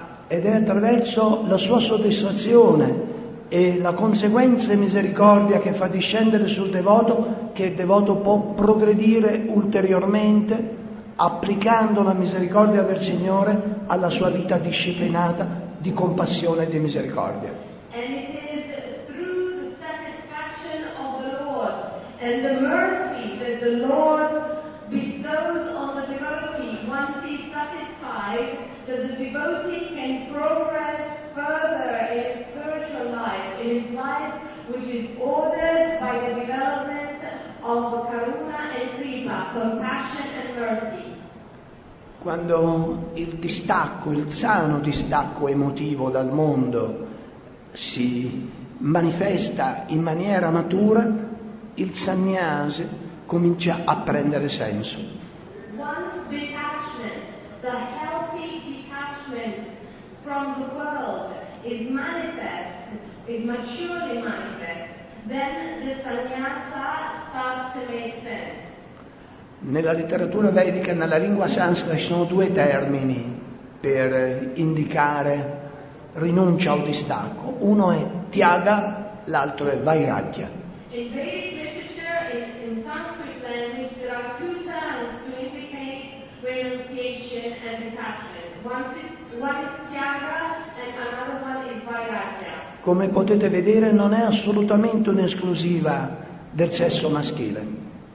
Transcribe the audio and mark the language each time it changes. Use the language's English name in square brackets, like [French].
[Italian] Ed è attraverso la sua soddisfazione e la conseguenza e misericordia che fa discendere sul devoto che il devoto può progredire ulteriormente applicando la misericordia del Signore alla sua vita disciplinata di compassione e di misericordia. [English] And it is through the satisfaction of the Lord and the mercy that the Lord bestows on the devotee once he is satisfied that the devotee can progress further in his spiritual life, in his life which is ordered by the development of Karuna and Kripa, compassion and mercy. [Italian] Quando il distacco, il sano distacco emotivo dal mondo si manifesta in maniera matura, il sannyasi comincia a prendere senso. [English] Once detachment, the healthy detachment from the world is manifest, is maturely manifest, then the sannyasa starts to make sense. [Italian] Nella letteratura vedica, nella lingua sanscrita, ci sono due termini per indicare rinuncia o distacco. Uno è tyaga, l'altro è vairagya. [English] In Vedic literature, in Sanskrit language, there are two terms to indicate renunciation and detachment. One is tyaga and another one is vairagya. [Italian] Come potete vedere, non è assolutamente un'esclusiva del sesso maschile.